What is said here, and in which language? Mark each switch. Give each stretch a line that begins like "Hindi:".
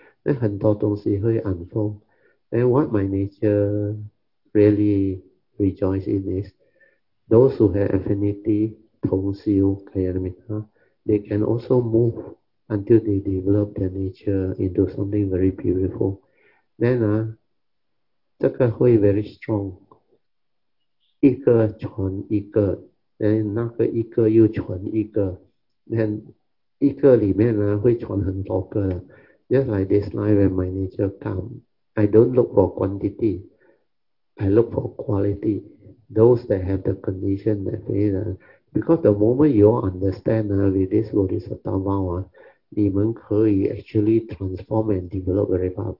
English: Then
Chinese: 很多东西会
English: unfold. Then what my nature really rejoices in is those who have affinity,
Chinese: 同修
English: kayamita, they can also move until they develop their nature into something very beautiful. Then,
Chinese: 这个会
English: very strong.
Chinese: 一个传一个然后那个一个又传一个，然后一个里面呢会传很多个的。
English: Just like this life when my nature come, I don't look for quantity, I look for quality. Those that have the condition that they are, because the moment you all understand with this bodhisattva vow,
Chinese: 你们可以
English: actually transform and develop very fast.